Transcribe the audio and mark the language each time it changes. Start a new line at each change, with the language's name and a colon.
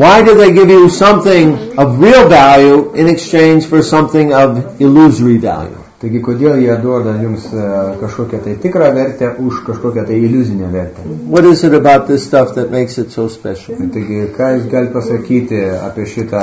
English: Why do they give you something of real value in exchange for something of illusory value?
Lithuanian: Taigi, kodėl jie duoda jums kažkokią tai tikrą vertę už kažkokią tai iliuzinę vertę?
English: What is it about this stuff that makes it so special?
Lithuanian: Taigi, ką jūs galite pasakyti apie šitą